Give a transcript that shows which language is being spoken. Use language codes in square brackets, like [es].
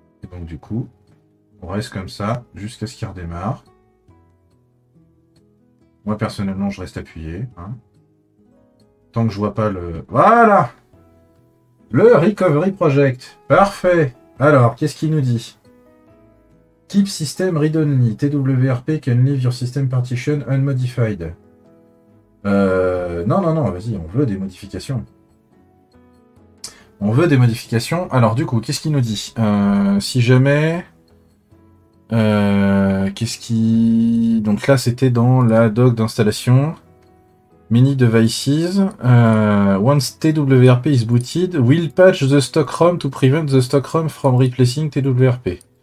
[fr] Donc du coup, on reste comme ça jusqu'à ce qu'il redémarre. Moi personnellement, je reste appuyé. Hein. Tant que je vois pas le... Voilà! Le Recovery Project. Parfait. Alors, qu'est-ce qu'il nous dit? [en] Keep system read only. TWRP can leave your system partition unmodified. [fr] Non, vas-y, on veut des modifications. On veut des modifications. Alors, du coup, qu'est-ce qu'il nous dit? Si jamais. Qu'est-ce qui. Donc là, c'était dans la doc d'installation. [en] Many devices. Once TWRP is booted, we'll patch the stock ROM to prevent the stock ROM from replacing TWRP.